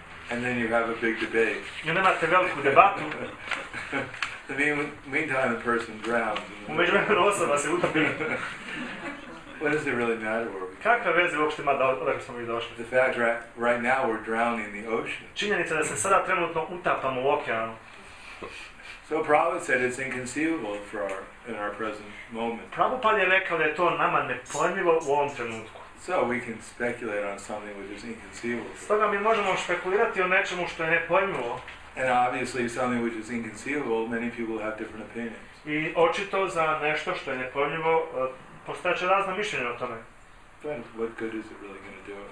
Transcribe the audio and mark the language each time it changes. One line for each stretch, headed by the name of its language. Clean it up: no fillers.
English: And then you have a big debate.
Croatian: Ne imate veliku debatu.
English: The meantime, the person drowns.
Croatian: U međuvremenu osoba se utopi.
English: What does it really matter where we?
Croatian: Kakve veze uopšte ima da odakle smo mi došli?
English: The fact that right now we're drowning in the ocean.
Croatian: Činjenica da se sada trenutno utapamo u okeanu.
English: So Prabhupada said it's inconceivable for our in our present moment.
Croatian: Prabhupada je rekao da je to nama nepojmljivo u ovom trenutku.
English: So we can speculate on something which is inconceivable.
Croatian: Stoga mi možemo špekulirati o nečemu što je nepojmljivo.
English: And obviously something which is inconceivable, many people have different opinions.
Croatian: I očito za nešto što je nepojmljivo postoje će razna mišljenja o tome.
English: Then what good is it really going to do?